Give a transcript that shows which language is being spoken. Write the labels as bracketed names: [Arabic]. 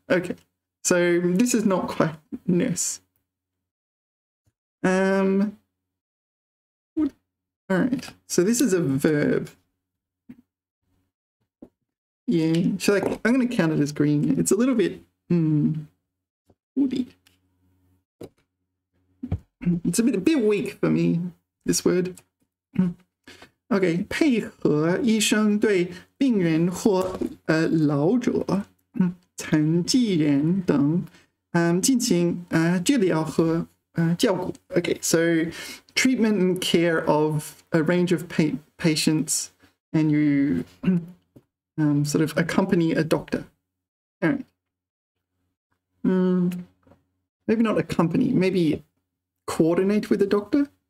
[English] Okay, so this is not quite nurse. Alright, so this is a verb. Yeah, so like, I'm going to count it as green. It's a little bit, woody. It's a bit weak for me. this word. [Chinese] Okay, 配合医生对病人或老者、残疾人等 进行治疗和照顾. [English] Okay, so treatment and care of a range of patients, and you sort of accompany a doctor. All right. Maybe not accompany, maybe coordinate with a doctor?